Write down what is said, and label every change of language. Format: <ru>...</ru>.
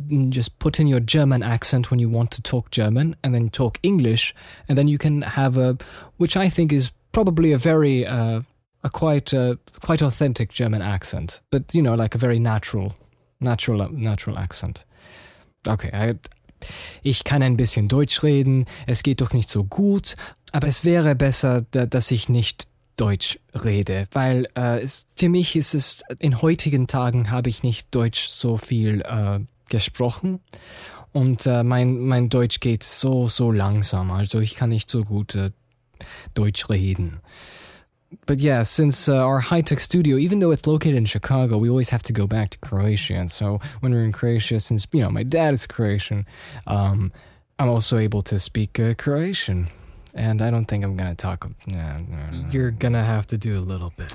<en>just put in your German accent when you want to talk German, and then talk English, and then you can have a, which I think is probably a very, quite authentic German accent, but, you know, like a very natural accent.</en> <de>Okay, ich kann ein bisschen Deutsch reden, es geht doch nicht so gut, aber es wäre besser, dass ich nicht Deutsch rede, weil für mich ist es, in heutigen Tagen habe ich nicht Deutsch so viel gesprochen und mein Deutsch geht so, so langsam, also ich kann nicht so gut Deutsch reden.</de> <en>But yeah, since our high-tech studio, even though it's located in Chicago, we always have to go back to Croatia. And so when we're in Croatia, since, you know, my dad is Croatian, I'm also able to speak Croatian. And I don't think I'm going to talk... You're going to have to do a little bit.</en>